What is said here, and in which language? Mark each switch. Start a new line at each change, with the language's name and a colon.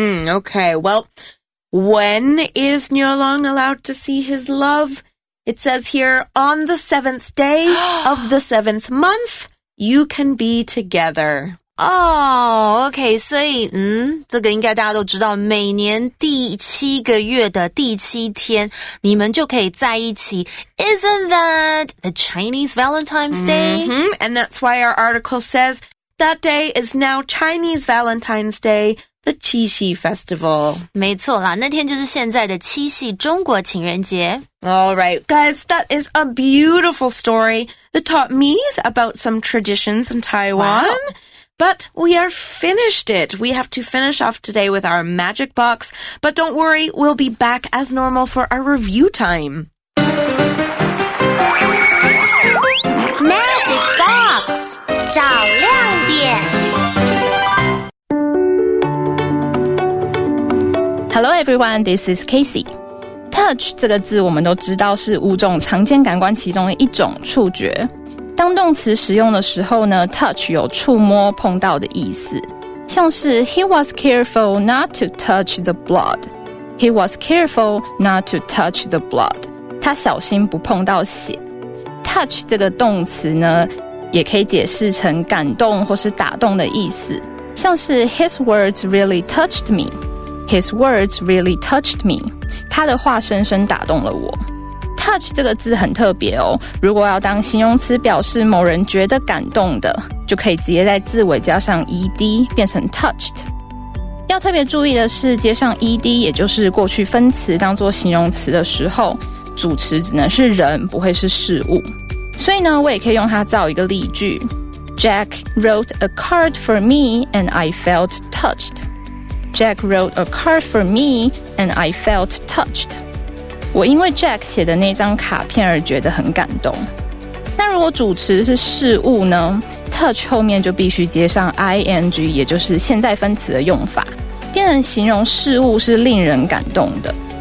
English: OK, well, when is Nyolong allowed to see his love? It says here, on the seventh day of the seventh month,You can be together.
Chinese: Oh, okay, 所以这个应该大家都知道每年第七个月的第七天你们就可以在一起。
English: Isn't that the Chinese Valentine's Day? Mm-hmm, and that's why our article says that day is now Chinese Valentine's Day, the 七夕 festival.
Chinese: 没错啦那天就是现在的七夕中国情人节。
English: Alright, guys, that is a beautiful story that taught me about some traditions in Taiwan. Wow. But we are finished it. We have to finish off today with our magic box. But don't worry, we'll be back as normal for our review time. Magic box!
Chinese: 找亮点
English: Hello everyone, this is Casey.
Chinese: Touch 这个字我们都知道是五种常见感官其中的一种触觉。当动词使用的时候呢 touch 有触摸碰到的意思。像是
English: He was careful not to touch the blood. He was careful not to touch the blood.
Chinese: 他小心不碰到血。 Touch 这个动词呢也可以解释成感动或是打动的意思。像是
English: His words really touched me. His words really touched me.
Chinese: 他的话深深打动了我。Touch 这个字很特别哦，如果要当形容词表示某人觉得感动的，就可以直接在字尾加上 ed， 变成 touched。要特别注意的是，接上 ed， 也就是过去分词当作形容词的时候，主词只能是人，不会是事物。所以呢，我也可以用它造一个例句
English: ：Jack wrote a card for me, and I felt touched. Jack wrote a card for me, and I felt touched.
Chinese: 我因为 Jack 写的那张卡片而觉得很感动。那如果主词是事物呢 ？Touch 后面就必须接上 ing， 也就是现在分词的用法，变成形容事物是令人感动的。